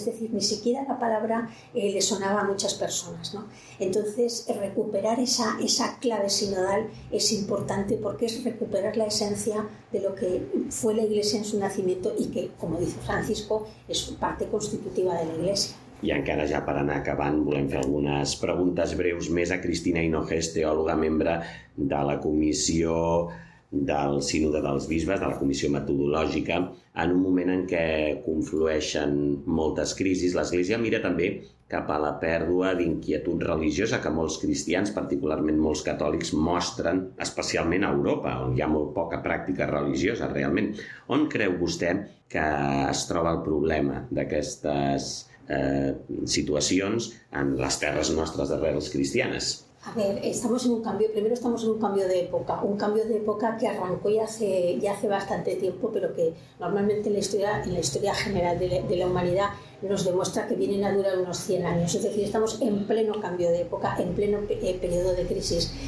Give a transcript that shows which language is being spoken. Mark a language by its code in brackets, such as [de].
[es] Es decir, ni siquiera la palabra le sonaba a muchas personas, ¿no? Entonces, recuperar esa clave sinodal es importante, porque es recuperar la esencia de lo que fue la Iglesia en su nacimiento y que, como dice Francisco, es parte constitutiva de la Iglesia. [ca] I encara ja per anar acabant, volem fer algunes preguntes breus més a Cristina Hinojés, teòloga, membre de la Comissió del Sínode dels Bisbes, de la Comissió Metodològica, en un moment en què conflueixen moltes crisis. L'Església mira també cap a la pèrdua d'inquietud religiosa que molts cristians, particularment molts catòlics, mostren, especialment a Europa, on hi ha molt poca pràctica religiosa, realment. On creu vostè que es troba el problema d'aquestes situacions en les terres nostres d'arrels cristianes? [es] A ver, estamos en un cambio, primero estamos en un cambio de época que arrancó ya hace bastante tiempo, pero que normalmente en la historia general de la humanidad nos demuestra que vienen a durar unos 100 años, es decir, estamos en pleno cambio de época, en pleno periodo de crisis.